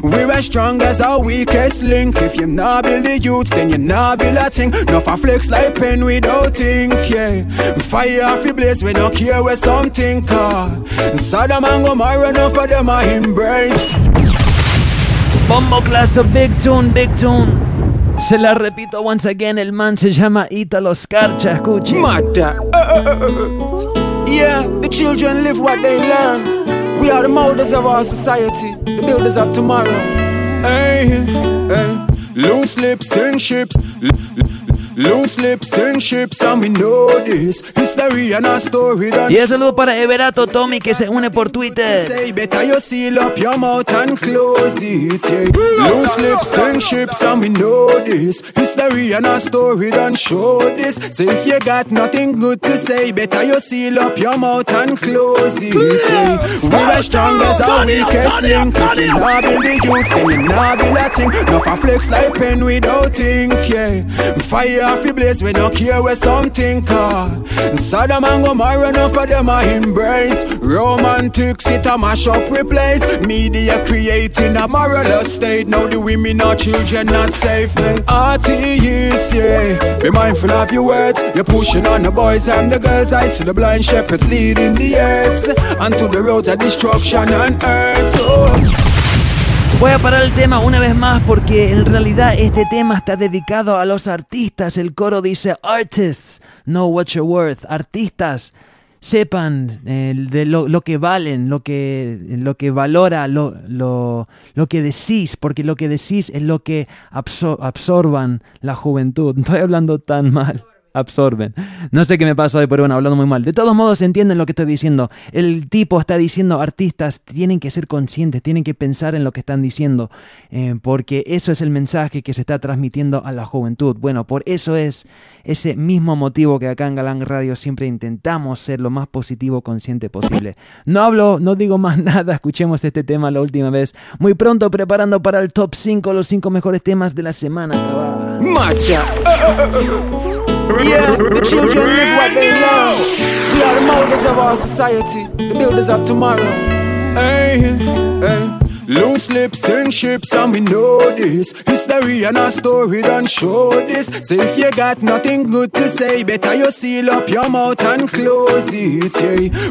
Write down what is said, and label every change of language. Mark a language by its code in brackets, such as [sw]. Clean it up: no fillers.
[en] We're as strong as our weakest link. If you not build the youth, then you not build a thing. Nuff a flex like pen without ink, yeah. Fire off the blaze, we don't care where something call. Sodom and Gomorrah, enough of them are embrace. Bombo class of big tune, big tune. [es] Se la repito [en] once again, [es] el man se llama Ítalo Scarcha, escuche. [en] Mata. Yeah, the children live what they learn. We are the molders of our society, the builders of tomorrow. Hey, hey. Loose lips and ships. Loose lips and ships, and we know this. History and our story. [es] Y un saludo para Everato Tommy que se une por Twitter. [en] Say better you seal up your mouth and close it, yeah. Loose lips and ships, and we know this. History and our story don't show this. So if you got nothing good to say, better you seal up your mouth and close it, yeah. We're as strong as our weakest link. If you not build the youth, then you not build a thing. Nuff a flex like pen without ink, yeah. Fire off the blaze, we don't care where something call. Sodom and Gomorrah, enough of them a embrace. Romantics, it a mash up replace. Media creating a moral state. Now the women or children not safe. RTEs, yeah. Be mindful of your words. You're pushing on the boys and the girls. I see the blind shepherds leading the earth. And to the roads of destruction and earth. Oh. [es] Voy a parar el tema una vez más porque en realidad este tema está dedicado a los artistas. El coro dice, [en] artists, know what you're worth. [es] Artistas, sepan de lo que valen, lo que valora, lo que decís. Porque lo que decís es lo que absorban la juventud. No estoy hablando tan mal. Absorben. No sé qué me pasó hoy, pero bueno, hablando muy mal. De todos modos, entienden lo que estoy diciendo. El tipo está diciendo, artistas tienen que ser conscientes, tienen que pensar en lo que están diciendo, porque eso es el mensaje que se está transmitiendo a la juventud. Bueno, por eso es ese mismo motivo que acá en Galang Radio siempre intentamos ser lo más positivo, consciente posible. No hablo, no digo más nada, escuchemos este tema la última vez. Muy pronto, preparando para el top 5, los 5 mejores temas de la semana. [en] ¡Macha! Yeah, the children live what they know. We are the molders of our society, the builders of tomorrow. Hey, hey. Loose lips and ships, and we know this. History and our story don't show this. So if you got nothing good to say, better you seal up your mouth and close it, yeah.